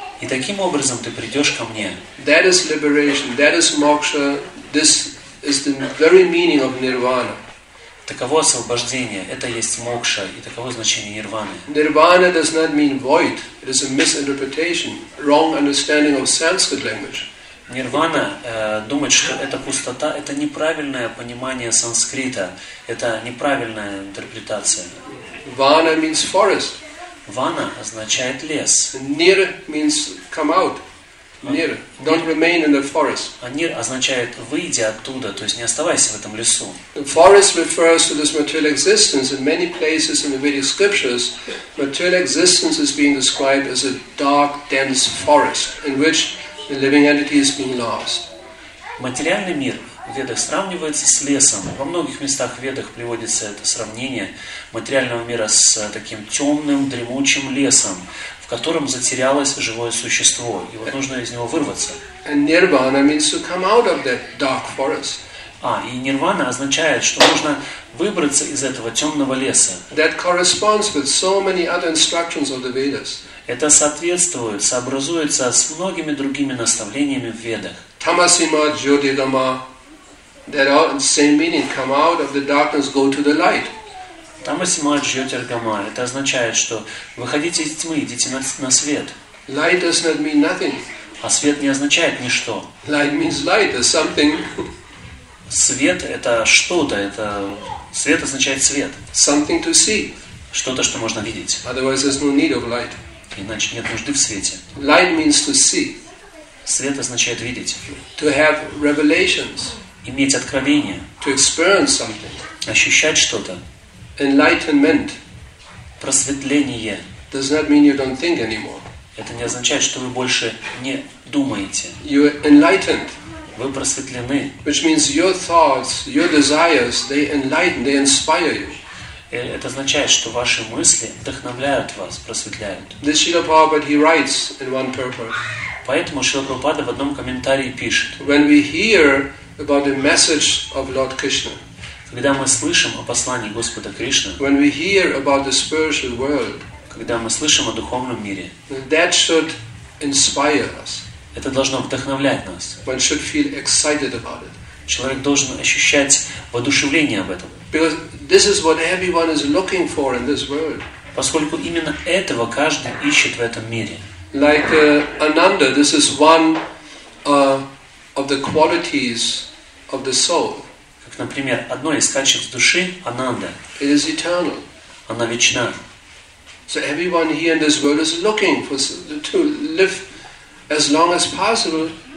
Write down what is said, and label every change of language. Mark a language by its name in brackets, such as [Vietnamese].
[Russian] И таким образом ты придешь ко мне. [English] That is liberation. That is moksha. This is the very meaning of nirvana. [Russian] Таково освобождение. Это есть мокша, и таково значение нирваны. [English] Nirvana does not mean void. It is a misinterpretation, wrong understanding of Sanskrit language. [Russian] Нирвана, думать, что это пустота, это неправильное понимание санскрита. Это неправильная интерпретация. [English] Vana means forest. [Russian] Vana означает лес. [English] Nir means come out. Nir, don't remain in the forest. [Russian] А нир означает выйди оттуда, то есть не оставайся в этом лесу. [English] The forest refers to this material existence. In many places in the Vedic scriptures, material existence is being described as a dark, dense forest in which the living entity is being lost. [Russian] Материальный мир в Ведах сравнивается с лесом. Во многих местах в Ведах приводится это сравнение материального мира с таким темным, дремучим лесом, в котором затерялось живое существо, и вот нужно из него вырваться. [English] And nirvana means to come out of that dark forest. [Russian] А, и нирвана означает, что нужно выбраться из этого темного леса. [English] That corresponds with so many other instructions of the Vedas. [Russian] Это соответствует, сообразуется с многими другими наставлениями в Ведах. [Sanskrit] Tamasima jyotirgama. [English] That all the same meaning. Come out of the darkness, go to the light. [Sanskrit] Тамасима джьотиргама. [Russian] Это означает, что выходите из тьмы, идите на свет. [English] Light does not mean nothing. [Russian] А свет не означает ничто. [English] Light means light or something. [Russian] Свет это что-то. Это свет означает свет. [English] Something to see. [Russian] Что-то, что можно видеть. [English] Otherwise, there's no need of light. [Russian] Иначе нет нужды в свете. [English] Light means to see. [Russian] Свет означает видеть. [English] To have revelations. [Russian] Иметь откровение. [English] To experience something. [Russian] Ощущать что-то. [English] Enlightenment. [Russian] Просветление. [English] Does not mean you don't think anymore. [Russian] Это не означает, что вы больше не думаете. [English] You are enlightened. [Russian] вы просветлены. [English] Which means your thoughts, your desires, they enlighten, they inspire you. [Russian] Это означает, что ваши мысли вдохновляют вас, просветляют. [English] This Srila Prabhupada, he writes in one purport. [Russian] Поэтому Шрила Прабхупада в одном комментарии пишет. [English] When we hear about the message of Lord Krishna. [Russian] Когда мы слышим о послании Господа Кришны. [English] When we hear about the spiritual world. [Russian] Когда мы слышим о духовном мире. [English] That should inspire us. [Russian] Это должно вдохновлять нас. [English] One should feel excited about it. [Russian] Человек должен ощущать воодушевление об этом. [English] Because this is what everyone is looking for in this world. [Russian] Поскольку именно этого каждый ищет в этом мире. [English] Like Ananda, this is one of the qualities of the soul. [Russian] Как, например, одно из качеств души Ананда. [English] It is eternal. [Russian] Она вечна. [English] So everyone here in this world is looking for to live as long as possible.